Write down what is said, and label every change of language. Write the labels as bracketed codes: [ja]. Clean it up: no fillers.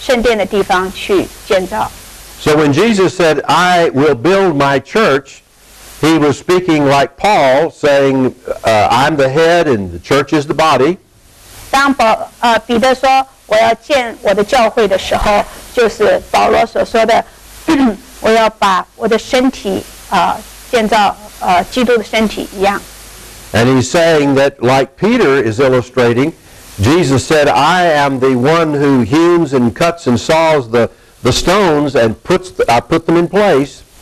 [zh] 所以彼得就讲到建造圣殿，就好像就是把那些石头已经都修剪好整齐块石头，搬到那个要建造圣地的地方，圣殿的地方去建造。 [en] So when Jesus said, "I will build my church," he was speaking like Paul, saying, "I'm the head, and the church is the body." [zh] 当彼得说我要建我的教会的时候，就是保罗所说的。我要把我的身体建造基督的身体一样。 [en] And he's saying that like Peter is illustrating, Jesus said, "I am the one who hews and cuts and saws the stones and put them in place."